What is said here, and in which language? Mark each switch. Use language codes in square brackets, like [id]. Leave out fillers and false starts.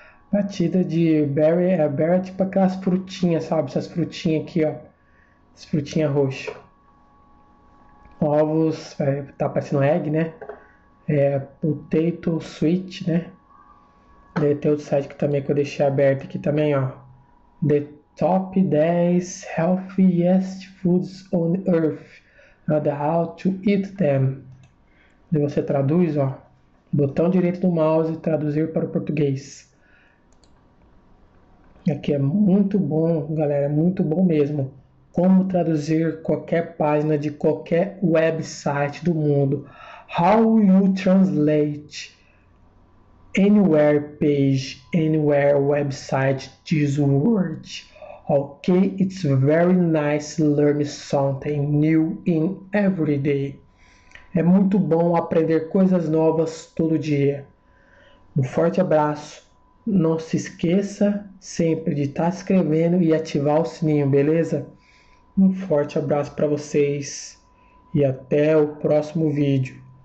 [pt] Batida de berry, é berry tipo aquelas frutinhas, sabe? Essas frutinhas aqui, ó. Essas frutinhas roxas. Ovos, tá parecendo egg, né? [en] Potato sweet, né? [pt] Daí tem outro site que também que eu deixei aberto aqui também, ó. [en] The top 10 healthiest foods on earth. And how to eat them. [pt] Daí você traduz, ó. Botão direito do mouse, traduzir para o português. Aqui é muito bom, galera, muito bom mesmo. Como traduzir qualquer página de qualquer website do mundo. [en] How you translate anywhere page, anywhere website this word. Okay, it's very nice learning something new in every day. [pt] É muito bom aprender coisas novas todo dia. Um forte abraço. Não se esqueça sempre de estar se inscrevendo e ativar o sininho, beleza? Um forte abraço para vocês e até o próximo vídeo.